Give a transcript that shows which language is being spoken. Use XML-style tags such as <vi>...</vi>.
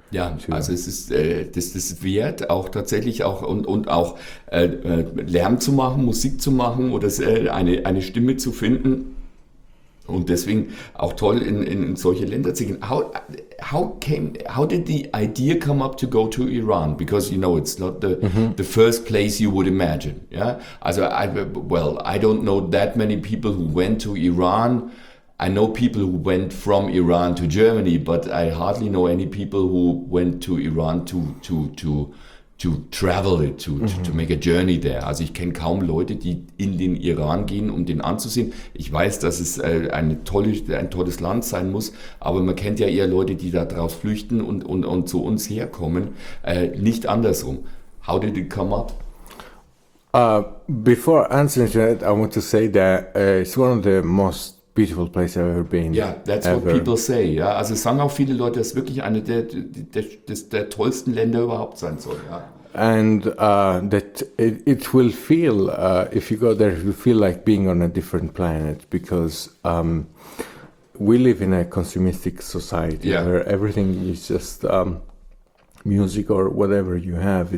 <de>Ja, also es ist das wert, auch tatsächlich auch und auch Lärm zu machen, Musik zu machen oder eine Stimme zu finden. Und deswegen auch toll in solche Länder zu gehen.</de> <en>How did the idea come up to go to Iran? Because you know it's not the first place you would imagine. Yeah. Also I don't know that many people who went to Iran. I know people who went from Iran to Germany, but I hardly know any people who went to Iran to to travel it, to make a journey there.</en> <de>Also ich kenne kaum Leute, die in den Iran gehen, um den anzusehen. Ich weiß, dass es ein tolles Land sein muss, aber man kennt ja eher Leute, die da draus flüchten und zu uns herkommen, nicht andersrum.</de> <en>How did it come up? Before answering that, I want to say that it's one of the most beautiful place I've ever been. Yeah, that's ever. What people say.</en> <de>Yeah, also sagen auch viele Leute, dass es wirklich eine der tollsten Länder überhaupt sein soll. Ja.</de> <en>And that it will feel if you go there, it will feel like being on a different planet because we live in a consumistic society where everything is just music or whatever you have.</en>